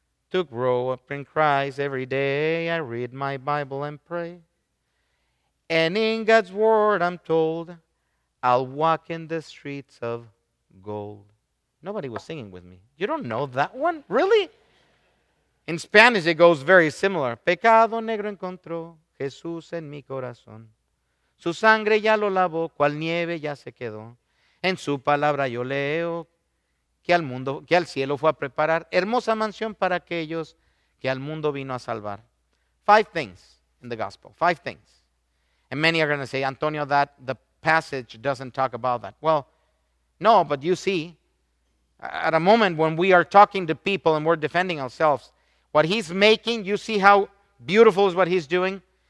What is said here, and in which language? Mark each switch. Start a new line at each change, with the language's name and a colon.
English: To grow up in Christ every day, I read my Bible and pray. And in God's word, I'm told, I'll walk in the streets of gold. Nobody was singing with me. You don't know that one? Really? In Spanish, it goes very similar.
Spanish: Pecado negro encontró Jesús en mi corazón. Su sangre ya lo lavó, cual nieve ya se quedó. En su palabra yo leo que al cielo fue a preparar hermosa mansión para aquellos que al mundo vino a salvar.
English: Five things in the gospel. Five things. And many are going to say, Antonio, that the passage doesn't talk about that. Well, no, but you see, at a moment when we are talking to people and we're defending ourselves, what he's making, you see how beautiful is what he's doing?